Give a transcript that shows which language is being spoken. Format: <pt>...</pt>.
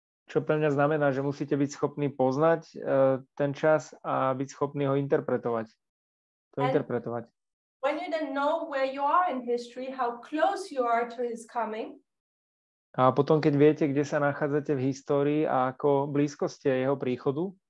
<sk>Čo pre mňa znamená, že musíte byť schopní poznať ten čas a byť schopní ho interpretovať. To</sk> <en>and</en> <sk>interpretovať.</sk> <en>When you then know where you are in history, how close you are to his coming.</en> <sk>A potom, keď viete, kde sa nachádzate v histórii a ako blízko ste jeho príchodu.</sk>